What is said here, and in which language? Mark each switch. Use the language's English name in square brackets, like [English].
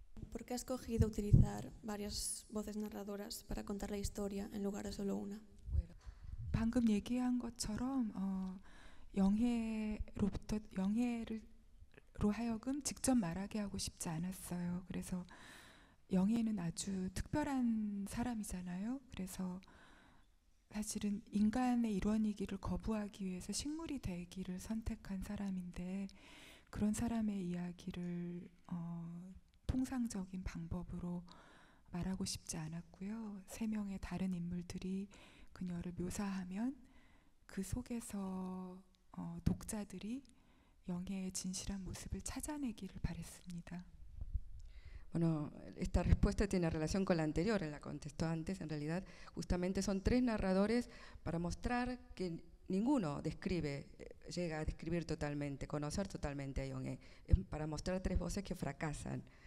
[Spanish] ¿Por qué ha escogido utilizar varias voces narradoras para contar la historia en lugar de solo una? [Korean] 방금 얘기한 것처럼 영혜로부터 영혜로 하여금 직접 말하게 하고 싶지 않았어요. 그래서 영혜는 아주 특별한 사람이잖아요. 그래서 사실은 인간의 일원이기를 거부하기 위해서 식물이 되기를 선택한 사람인데 그런 사람의 이야기를 통상적인 방법으로 말하고 싶지 않았고요. 세 명의 다른 인물들이 그녀를 묘사하면 그 속에서 독자들이 영혜의 진실한 모습을 찾아내기를 바랬습니다. [Spanish] Bueno, esta respuesta tiene relación con la anterior, la contestó antes, en realidad justamente son tres narradores para mostrar que ninguno describe, llega a describir totalmente, conocer totalmente a Yong-hae, es para mostrar tres voces que fracasan.